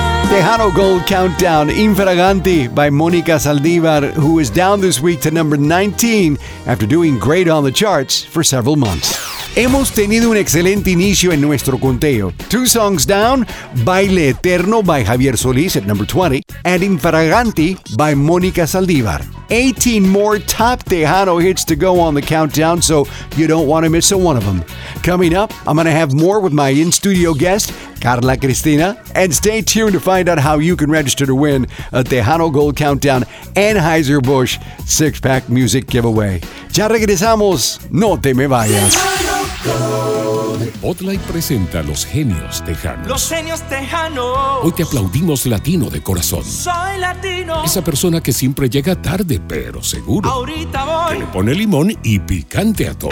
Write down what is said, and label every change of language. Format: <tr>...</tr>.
<en>Tejano Gold Countdown, Infraganti by Monica Saldivar, who is down this week to number 19 after doing great on the charts for several months.</en> <es>Hemos tenido un excelente inicio en nuestro conteo.</es> <en>Two songs down, Baile Eterno by Javier Solís at number 20, and Infraganti by Monica Saldivar. 18 more top Tejano hits to go on the countdown, so you don't want to miss a one of them. Coming up, I'm going to have more with my in-studio guest, Carla Cristina, and stay tuned to find out how you can register to win a Tejano Gold Countdown Anheuser-Busch six-pack music giveaway.</en> <es>Ya regresamos, no te me vayas. Botlight presenta Los Genios Tejanos. Los Genios Tejanos. Hoy te aplaudimos latino de corazón. Soy latino. Esa persona que siempre llega tarde, pero seguro. Ahorita voy. Que le pone limón y picante a todo.</es>